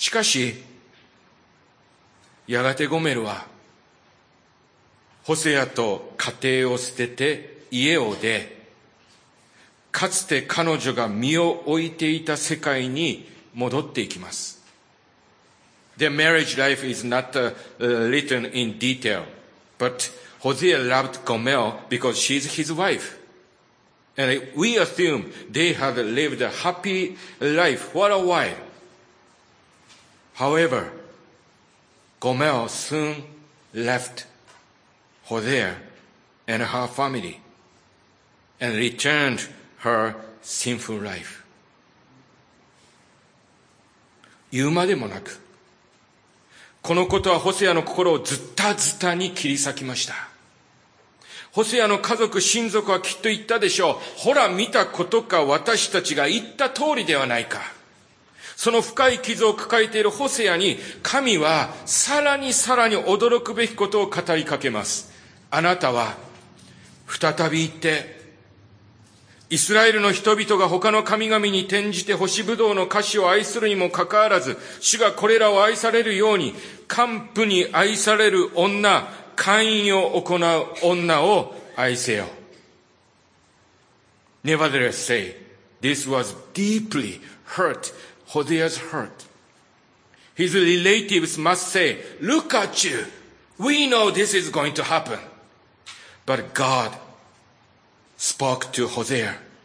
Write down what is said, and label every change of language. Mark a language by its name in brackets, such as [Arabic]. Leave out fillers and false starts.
[Japanese] しかし、やがてゴメルはホセアと家庭を捨てて家を出、かつて彼女が身を置いていた世界に戻っていきます。 [English] The marriage life is not written in detail, but Hosea loved Gomer because she's his wife. And we assume they have lived a happy life for a while. However, Gomer soon left Hosea and her family and returnedher sinful life. [Japanese] 言うまでもなく、このことはホセアの心をズッタズタに切り裂きました。ホセアの家族、親族はきっと言ったでしょう。ほら見たことか、私たちが言った通りではないか。その深い傷を抱えているホセアに、神はさらにさらに驚くべきことを語りかけます。あなたは、再び言って、イスラエルの人々が他の神々に転じて星ぶどうの菓子を愛するにもかかわらず、主がこれらを愛されるように、完膚に愛される女、姦淫を行う女を愛せよ。 [English] Nevertheless say, this was deeply hurt, Hosea's heart. His relatives must say, look at you, we know this is going to happen. But God spoke to Hosea.